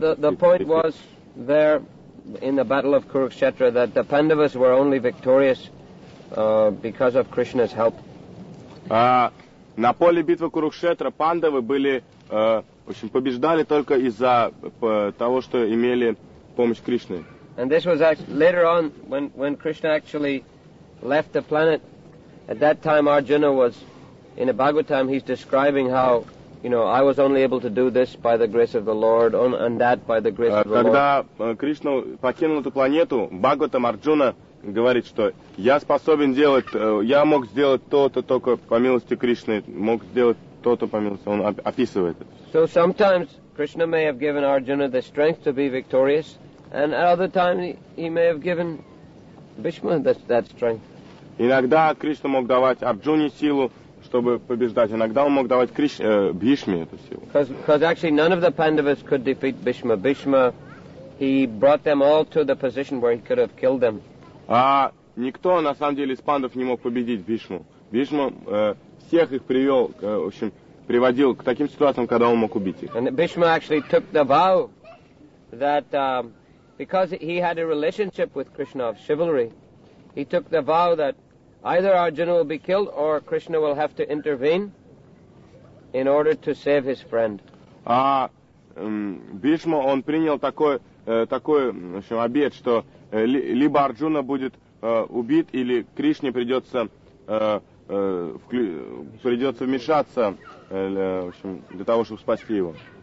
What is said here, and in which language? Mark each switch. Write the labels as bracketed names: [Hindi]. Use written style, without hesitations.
[English] Well, the point was there in the battle of Kurukshetra that the Pandavas were only victorious because of Krishna's help. [Russian] На поле битвы Курукшетра пандавы были, в общем, побеждали только из-за того, что имели помощь Кришны. [English] And this was actually later on when Krishna actually left the planet. At that time Arjuna was in a Bhagavatam, he's describing how, you know, I was only able to do this by the grace of the Lord, and that by the grace of the [Russian] когда, Когда Кришна покинул эту планету, Бхагаватам Арджуна говорит, что я способен делать, я мог сделать то-то только по милости Кришны, мог сделать то-то по милости. Он описывает это. [English] So sometimes Krishna may have given Arjuna the strength to be victorious, and at other times he may have given Bhishma that strength. [Russian] Иногда Кришна мог давать Арджуне силу, чтобы побеждать. Иногда он мог давать Бхишме эту силу. [English] Because actually none of the Pandavas could defeat Bhishma. Bhishma, he brought them all to the position where he could have killed them. [Russian] А никто на самом деле из пандов не мог победить Бхишму. Бхишма всех их привел, в общем, приводил к таким ситуациям, когда он мог убить их. [English] And Bhishma actually took the vow that because he had a relationship with Krishna of chivalry, he took the vow that either Arjuna will be killed or Krishna will have to intervene in order to save his friend. [Russian] А Бхишма, он принял такой, в общем, обет, что либо Арджуна будет убит, или Кришне придется вмешаться, в общем, для того, чтобы спасти его.